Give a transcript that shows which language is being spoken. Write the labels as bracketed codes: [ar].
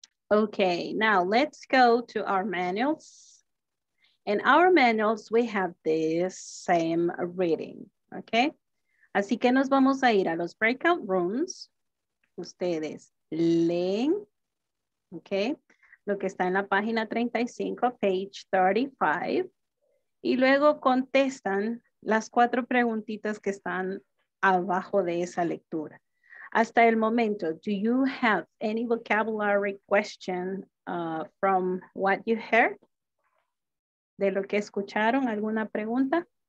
[en] Okay, now let's go to our manuals. In our manuals, we have this same reading. [es] Okay, así que nos vamos a ir a los breakout rooms. Ustedes leen, okay, lo que está en la página 35, [en] page 35, [es] y luego contestan las cuatro preguntitas que están abajo de esa lectura. Hasta el momento, [en] do you have any vocabulary question from what you heard? [es] De lo que escucharon, ¿alguna pregunta?